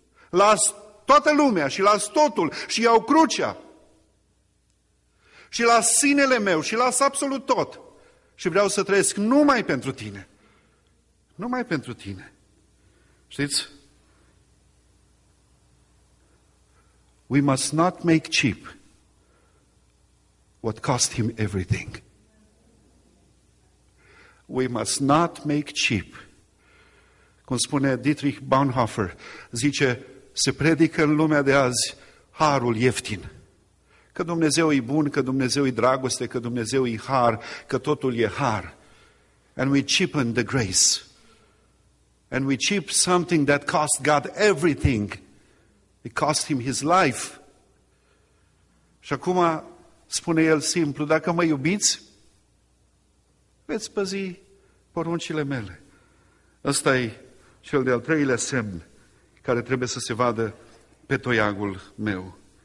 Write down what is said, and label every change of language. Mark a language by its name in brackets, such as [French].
[Romanian] Las toată lumea și las totul și iau crucea. Și las sinele meu și las absolut tot. Și vreau să trăiesc numai pentru tine. Numai pentru tine. Știți? [English] We must not make cheap what cost him everything. We must not make cheap. [Romanian] Cum spune Dietrich Bonhoeffer, zice, se predică în lumea de azi harul ieftin. Că Dumnezeu e bun, că Dumnezeu e dragoste, că Dumnezeu e har, că totul e har. [English] And we cheapen the grace. And we cheap something that cost God everything. It cost him his life. [Romanian] Și acum spune el simplu, dacă mă iubiți, veți păzi poruncile mele. Ăsta e cel de-al treilea semn care trebuie să se vadă pe toiagul meu.